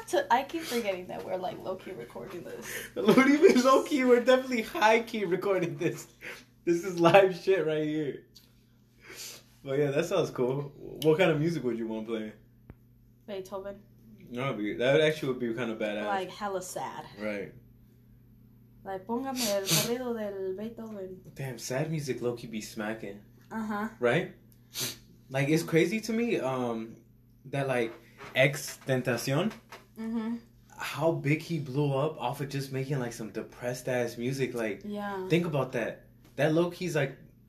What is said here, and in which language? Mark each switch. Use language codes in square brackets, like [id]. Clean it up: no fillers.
[en] I keep forgetting that we're like low key recording this. What do you mean low key? We're definitely high key recording this. This is live shit right here. But yeah, that sounds cool. What kind of music would you want playing? Beethoven. No, that would actually be kind of badass. Like, hella sad. Right. [es] Like, póngame el corrido del Beethoven. [en] Damn, sad music low-key be smacking. Uh-huh. Right? Like, it's crazy to me that, like, XXXTentacion, mm-hmm. how big he blew up off of just making, like, some depressed-ass music. Like, yeah. Think about that. That low-key's, like...